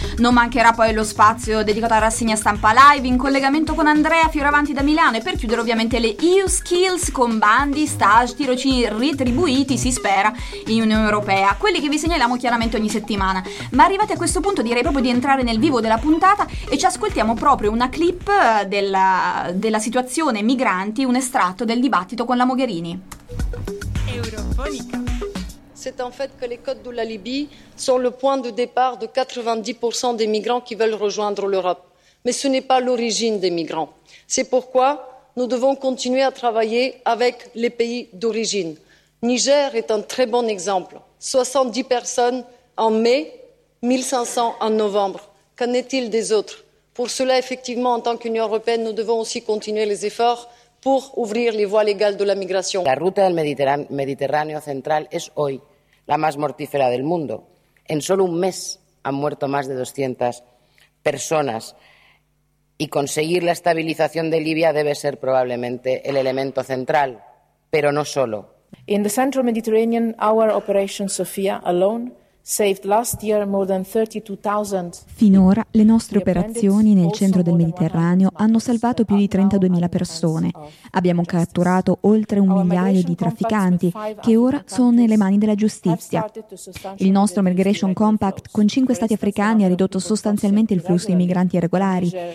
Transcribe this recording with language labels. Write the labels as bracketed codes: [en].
[it] Non mancherà poi lo spazio dedicato alla rassegna stampa live in collegamento con Andrea Fioravanti da Milano, e per chiudere ovviamente le EU Skills con bandi, stage, tirocini retribuiti, si spera, in Unione Europea. Quelli che vi segnaliamo chiaramente ogni settimana. Ma arrivati a questo punto direi proprio di entrare nel vivo della puntata e ci ascoltiamo proprio una clip della situazione migranti, un estratto del dibattito con la Mogherini. Europhonica. [fr] C'est en fait que les côtes de la Libye sont le point de départ de 90% des migrants qui veulent rejoindre l'Europe. Mais ce n'est pas l'origine des migrants. C'est pourquoi nous devons continuer à travailler avec les pays d'origine. Niger est un très bon exemple. 70 personnes en mai, 1500 en novembre. Qu'en est-il des autres? Pour cela, effectivement, en tant qu'Union européenne, nous devons aussi continuer les efforts pour ouvrir les voies légales de la migration. [es] La ruta del Mediterráneo central es hoy la más mortífera del mundo. En solo un mes han muerto más de 200 personas y conseguir la estabilización de Libia debe ser probablemente el elemento central, pero no solo. [en] In the central Mediterranean, our operation Sophia alone saved last year more than 32,000. [it] Finora le nostre operazioni nel centro del Mediterraneo hanno salvato più di 32,000 persone. Abbiamo catturato oltre un migliaio di trafficanti che ora sono nelle mani della giustizia. Il nostro Migration Compact con 5 stati africani ha ridotto sostanzialmente il flusso di migranti irregolari.